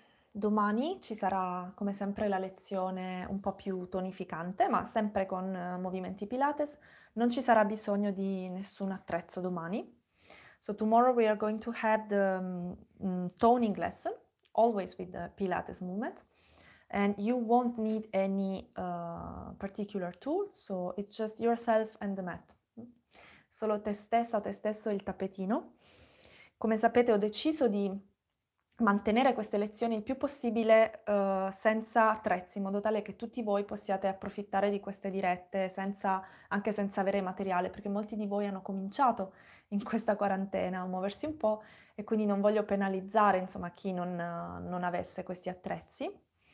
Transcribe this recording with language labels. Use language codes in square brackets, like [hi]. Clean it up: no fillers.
[it] Domani ci sarà, come sempre, la lezione un po' più tonificante, ma sempre con movimenti Pilates. Non ci sarà bisogno di nessun attrezzo domani. [en] So tomorrow we are going to have the toning lesson, always with the Pilates movement. And you won't need any particular tool, so it's just yourself and the mat. [it] Solo te stessa, te stesso e il tappetino. Come sapete, ho deciso di mantenere queste lezioni il più possibile senza attrezzi, in modo tale che tutti voi possiate approfittare di queste dirette senza, anche senza avere materiale, perché molti di voi hanno cominciato in questa quarantena a muoversi un po' e quindi non voglio penalizzare, insomma, chi non avesse questi attrezzi.